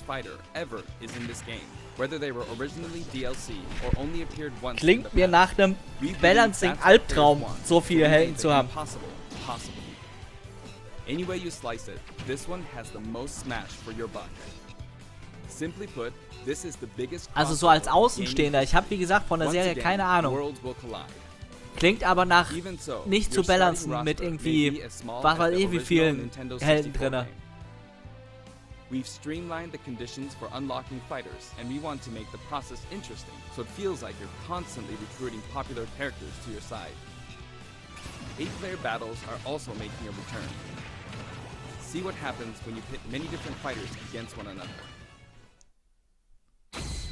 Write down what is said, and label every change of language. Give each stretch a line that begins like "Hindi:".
English: Fighter ever is in this game, whether they were originally DLC or only appeared once.
German: Klingt mir nach einem balancing Albtraum, so viele Helden zu haben.
English: Possible, possible. Any way you slice it, this one has the most smash for your buck. Simply put, this is the biggest.
German: Also so als Außenstehender, ich habe wie gesagt von der Serie again, keine Ahnung. Klingt aber nach so, nicht zu balancen mit irgendwie was weiß ich wie vielen Helden drinne.
English: We've streamlined the conditions for unlocking fighters, and we want to make the process interesting, so it feels like you're constantly recruiting popular characters to your side. Eight-player battles are also making a return. See what happens when you pit many different fighters against one another.